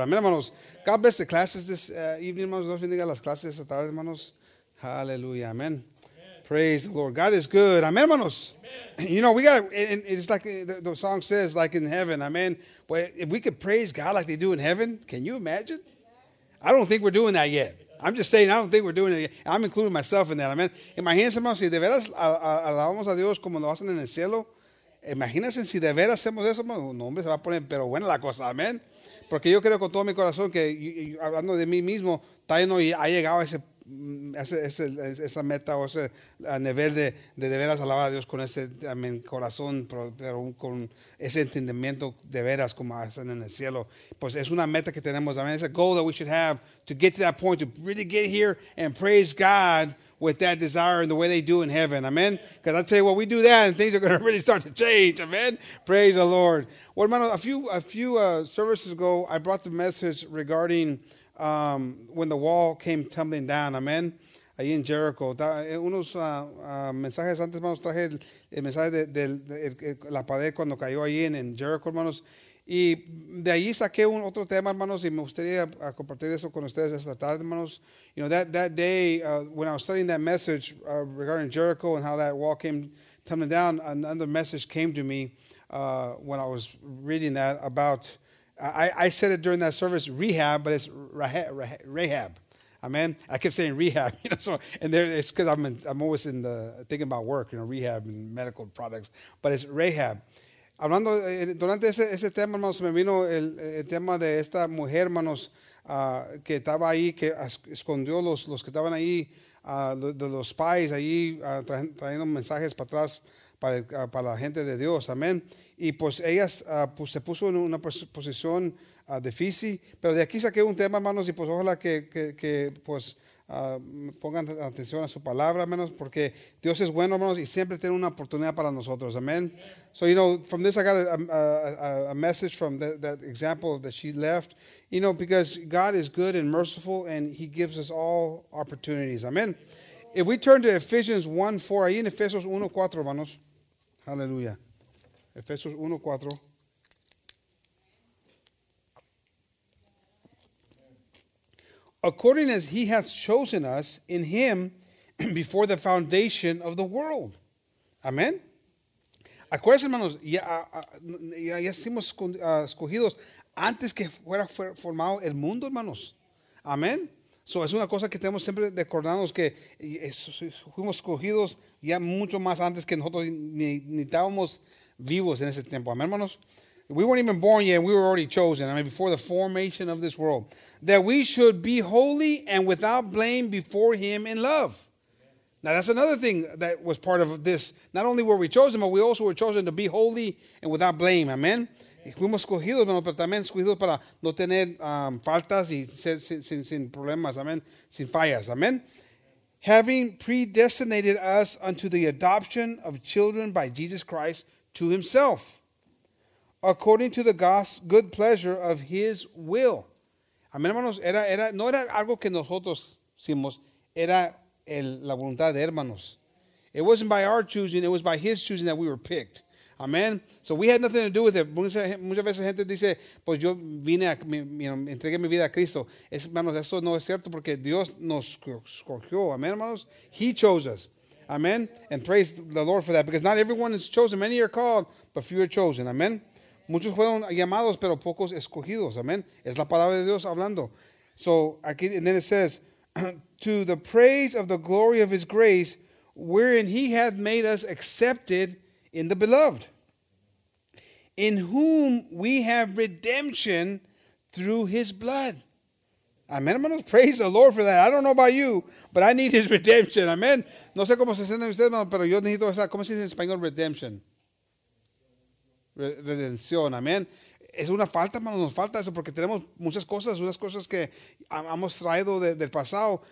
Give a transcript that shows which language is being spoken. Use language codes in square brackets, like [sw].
[en] Amen, hermanos. God bless the classes this evening, hermanos. [es] Dios bendiga las clases esta tarde, hermanos. [en] Hallelujah. Amen. Amen. Praise the Lord. God is good. Amen, hermanos. Amen. You know, we got it's like the song says, like in heaven. Amen. But if we could praise God like they do in heaven, can you imagine? I don't think we're doing that yet. I'm just saying, I don't think we're doing it yet. I'm including myself in that. Amen. [es] Imagínense, hermanos, si de veras alabamos a Dios como lo hacen en el cielo. Imagínense si de veras hacemos eso, hermano. No, hombre, se va a poner, pero buena la cosa. Amen. Porque yo creo con todo mi corazón que, hablando de mí mismo, todavía no ha llegado a esa meta o ese nivel de veras alabar a Dios con ese amen, corazón, pero con ese entendimiento de veras como hacen en el cielo. Pues es una meta que tenemos, amen. [en] It's a goal that we should have to get to that point, to really get here and praise God with that desire and the way they do in heaven, amen. Because I tell you what, we do that and things are going to really start to change, amen. Praise the Lord. Well, hermano, a few services ago, I brought the message regarding when the wall came tumbling down, amen, [es] ahí en Jericho. Unos mensajes antes, hermanos, traje el mensaje de la pared cuando cayó ahí en Jericho, hermanos. Y de ahí saqué un otro tema, hermanos, y me gustaría compartir eso con ustedes esta tarde, hermanos. [en] You know, that day, when I was studying that message regarding Jericho and how that wall came tumbling down, another message came to me when I was reading that about, I said it during that service, rehab, but it's Rahab. Amen. I kept saying rehab, you know. So, and there it's because I'm always in the thinking about work, you know, rehab and medical products. But it's Rahab. [es] Hablando durante ese tema, hermanos, me vino el tema de esta mujer, hermanos, que estaba ahí, que escondió los que estaban ahí, de los spies ahí, trayendo mensajes para atrás para la gente de Dios. Amen. Y pues ella pues se puso en una posición difícil, pero de aquí saqué un tema, hermanos, y pues ojalá que pues pongan atención a su palabra, hermanos, porque Dios es bueno, hermanos, y siempre tiene una oportunidad para nosotros, amén. [en] So, you know, from this I got a message from that example that she left, you know, because God is good and merciful, and he gives us all opportunities, amén. If we turn to Ephesians 1:4, [es] ahí en Efesios 1:4, hermanos, aleluya. Efesios 1:4. [en] According as he hath chosen us in him before the foundation of the world. Amen. [es] Acuérdense, hermanos, ya hicimos escogidos antes que fuera formado el mundo, hermanos. Amen. So, es una cosa que tenemos siempre de acordarnos que fuimos escogidos ya mucho más antes que nosotros ni estábamos vivos en ese tiempo. Amen, hermanos. [en] We weren't even born yet, and we were already chosen. I mean, before the formation of this world. That we should be holy and without blame before him in love. Now, that's another thing that was part of this. Not only were we chosen, but we also were chosen to be holy and without blame. Amen? [es] Fuimos escogidos, hermanos, pero también escogidos para no tener faltas y sin problemas. Amen? Sin fallas. Amen? [en] having predestinated us unto the adoption of children by Jesus Christ to himself, according to the good pleasure of his will. Amén, hermanos. [es] No era algo que nosotros hicimos. Era la voluntad de hermanos. [en] It wasn't by our choosing. It was by his choosing that we were picked. Amen. So we had nothing to do with it. [es] Muchas veces gente dice, pues yo vine a, entregué mi vida a Cristo. Hermanos, eso no es cierto porque Dios nos escogió. [en] Amen, hermanos. He chose us. Amen. And praise the Lord for that. Because not everyone is chosen. Many are called, but few are chosen. Amen. [es] Muchos fueron llamados, pero pocos escogidos. Amen. Es la palabra de Dios hablando. [en] So aquí, and then it says, to the praise of the glory of his grace, wherein he hath made us accepted in the beloved, in whom we have redemption through his blood. Amen, hermanos. Praise the Lord for that. I don't know about you, but I need his redemption. Amen. [es] No sé cómo se sienten ustedes, hermanos, pero yo necesito esa. ¿Cómo se dice en español redemption? Redención. Amen. Es una falta, hermanos. Nos falta eso porque tenemos muchas cosas, unas cosas que hemos traído del pasado.